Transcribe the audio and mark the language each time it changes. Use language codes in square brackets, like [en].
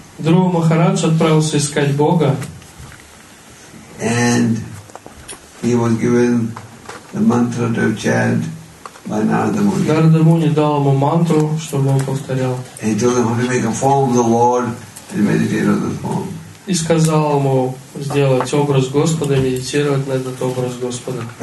[ru] Дрова Махарадж отправился искать Бога. [en] And he was given the mantra to chant by Narada Muni. [ru] Нарада Муни дал ему мантру, чтобы он повторял. [en] He told him how to make a form of the Lord and meditate on the form. [ru] И сказал ему сделать образ Господа, медитировать на этот образ Господа.